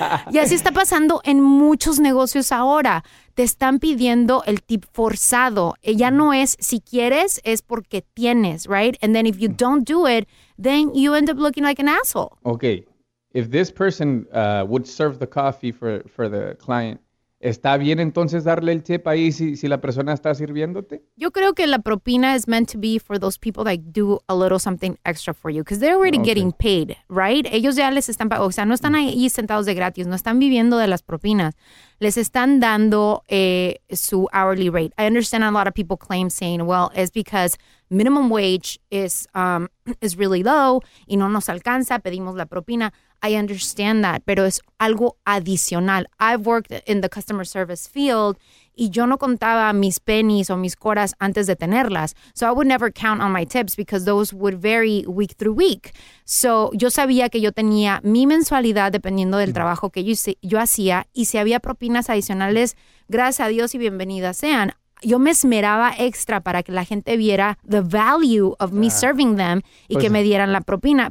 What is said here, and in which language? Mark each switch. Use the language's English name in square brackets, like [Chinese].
[Spanish] Y así está pasando en muchos negocios ahora. Te están pidiendo el tip forzado. Ya no es si quieres, es porque tienes, [English] right? And then if you don't do it, then you end up looking like an asshole. Okay. If this person would serve the coffee for the client, [Spanish] ¿está bien entonces darle el tip ahí si la persona está sirviéndote? Yo creo que la propina [English] is meant to be for those people that do a little something extra for you, because they're already Okay. getting paid, right? [Spanish] Ellos ya les están pagando, o sea, no están ahí sentados de gratis, no están viviendo de las propinas. Les están dando su [English] hourly rate. I understand a lot of people claim saying, well, it's because minimum wage is really low [Spanish] y no nos alcanza, pedimos la propina. [English] I understand that, [Spanish] pero es algo adicional. [English] I've worked in the customer service field. [Spanish] Y yo no contaba mis [English] pennies [Spanish] o mis coras antes de tenerlas. [English] So I would never count on my tips because those would vary week through week. [Spanish] So yo sabía que yo tenía mi mensualidad dependiendo del trabajo que yo hacía. Y si había propinas adicionales, gracias a Dios y bienvenidas sean. Yo me esmeraba extra para que la gente viera [English] the value of me serving them [Spanish] y que Pues me dieran la propina.